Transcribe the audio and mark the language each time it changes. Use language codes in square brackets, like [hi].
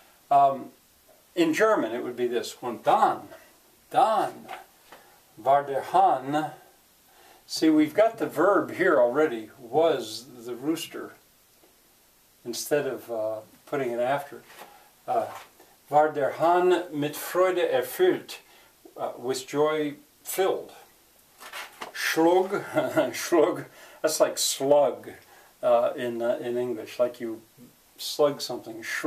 [en] In German, it would be this, [de] und dann war der Hahn. [en] See, we've got the verb here already, was the rooster, instead of putting it after. [de] War der Hahn mit Freude erfüllt, [en] with joy filled. Schlug, that's like slug in English, like you slug something.